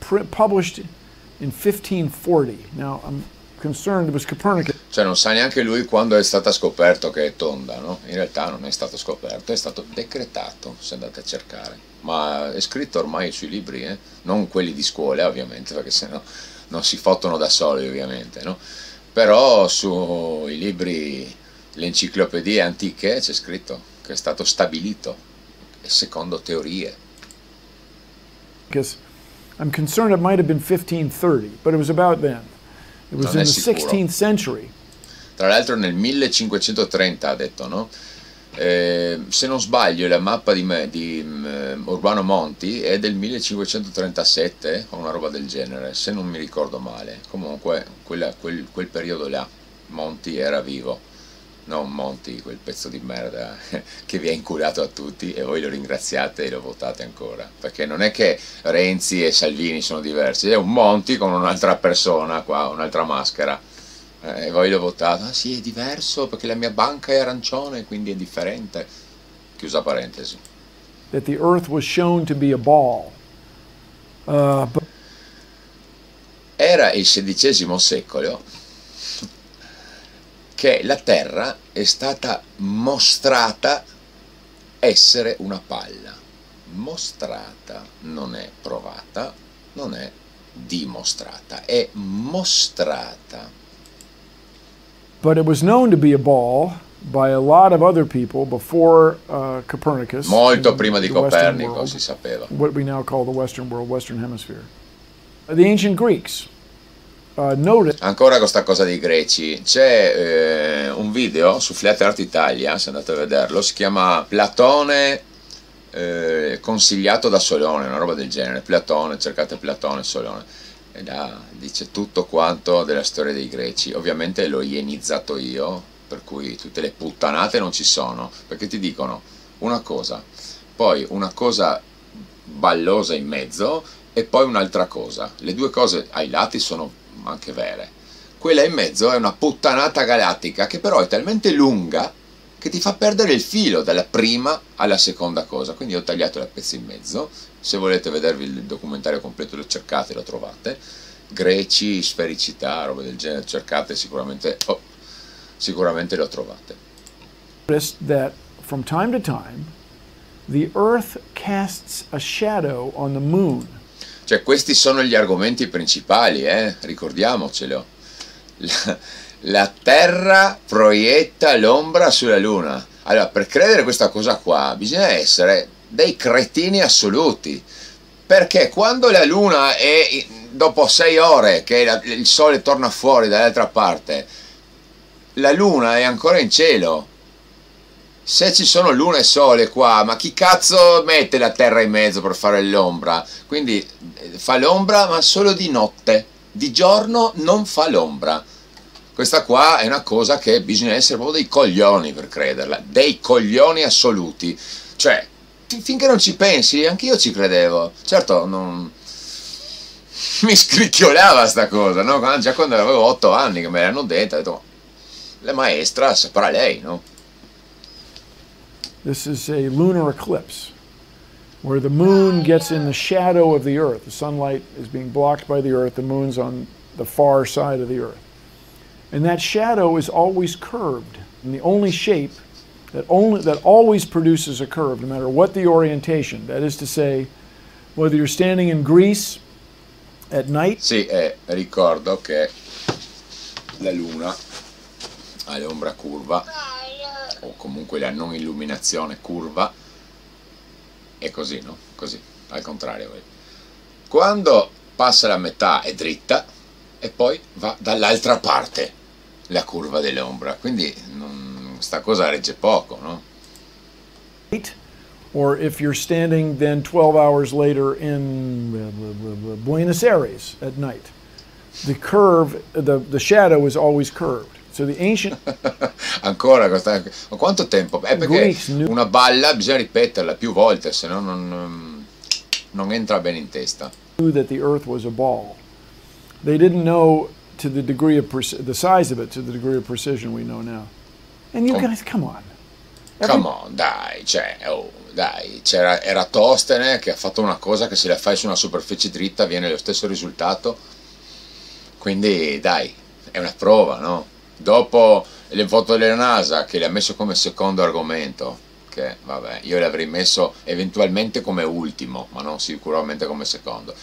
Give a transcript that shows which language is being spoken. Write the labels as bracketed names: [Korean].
[English] published in 1540. Now I'm concerned it was Copernicus. [Italian] Cioè non sa neanche lui quando è stata scoperto che è tonda, no? In realtà non è stato scoperto, è stato decretato, se andate a cercare. Ma è scritto ormai sui libri, eh? Non quelli di scuola, ovviamente, perché sennò non si fottono da soli, ovviamente, no? Però sui libri, le enciclopedie antiche c'è scritto che è stato stabilito secondo teorie. [English] Because I'm concerned it might have been 1530, but it was about then. It was [Italian] non [English] in the 16th century. [Italian] Tra l'altro nel 1530 ha detto, no? Se non sbaglio, la mappa di Urbano Monti è del 1537 o una roba del genere, se non mi ricordo male. Comunque quel periodo là Monti era vivo. Non Monti, quel pezzo di merda che vi ha inculato a tutti e voi lo ringraziate e lo votate ancora. Perché non è che Renzi e Salvini sono diversi, è un Monti con un'altra persona qua, un'altra maschera. E voi lo votate, ah sì, è diverso perché la mia banca è arancione, quindi è differente. Chiusa parentesi. [English] That the earth was shown to be a ball. [Italian] Era il XVI secolo che la Terra è stata mostrata essere una palla. Mostrata, non è provata, non è dimostrata, è mostrata. [English] But it was known to be a ball by a lot of other people before Copernicus. [Italian] Molto prima di Copernico si sapeva. [English] What we now call the Western world, Western hemisphere. The ancient Greeks. [Italian] Ancora questa cosa dei greci, c'è un video su Flat Art Italia, se andate a vederlo, si chiama Platone consigliato da Solone, una roba del genere, Platone, cercate Platone, Solone, e là dice tutto quanto della storia dei greci, ovviamente l'ho ienizzato io, per cui tutte le puttanate non ci sono, perché ti dicono una cosa, poi una cosa ballosa in mezzo e poi un'altra cosa, le due cose ai lati sono anche vere, quella in mezzo è una puttanata galattica che però è talmente lunga che ti fa perdere il filo dalla prima alla seconda cosa, quindi ho tagliato la pezza in mezzo, se volete vedervi il documentario completo lo cercate, lo trovate, greci, sfericità, roba del genere, cercate sicuramente, oh, sicuramente lo trovate. [English] That from time to time the earth casts a shadow on the moon. [Italian] Cioè, questi sono gli argomenti principali, eh? Ricordiamocelo. La Terra proietta l'ombra sulla Luna. Allora, per credere questa cosa qua, bisogna essere dei cretini assoluti. Perché quando la Luna è, dopo 6 ore che il Sole torna fuori dall'altra parte, la Luna è ancora in cielo. Se ci sono Luna e Sole qua, ma chi cazzo mette la Terra in mezzo per fare l'ombra? Quindi fa l'ombra, ma solo di notte. Di giorno non fa l'ombra. Questa qua è una cosa che bisogna essere proprio dei coglioni per crederla. Dei coglioni assoluti. Cioè, finché non ci pensi, anch'io ci credevo. Certo, non... mi scricchiolava sta cosa, no? Già quando avevo 8 anni che me l'hanno detta, ho detto, la maestra saprà lei, no? [English] This is a lunar eclipse, where the moon gets in the shadow of the earth. The sunlight is being blocked by the earth, the moon's on the far side of the earth. And that shadow is always curved, and the only shape that always produces a curve, no matter what the orientation, that is to say, whether you're standing in Greece at night. [Italian] Sì, ricordo che la luna ha l'ombra curva, o comunque la non illuminazione curva, è così, no? Così, al contrario. Quando passa la metà è dritta e poi va dall'altra parte la curva dell'ombra, quindi sta cosa regge poco, no? [English] Or if you're standing then 12 hours later in Buenos Aires at night, the curve, the shadow is always curved. So the ancient [Italian] ancora questa, ma quanto tempo? È perché una balla bisogna ripeterla più volte, se no non entra bene in testa. [English] That the earth was a ball. They didn't know to the degree of the size of it, to the degree of precision we know now. And you guys, come on. Come on, [Italian] dai, cioè, dai, c'era, era Tostene che ha fatto una cosa che se la fai su una superficie dritta viene lo stesso risultato. Quindi, dai, è una prova, no? Dopo le foto della NASA che le ha messo come secondo argomento, che vabbè, io le avrei messo eventualmente come ultimo, ma non sicuramente come secondo.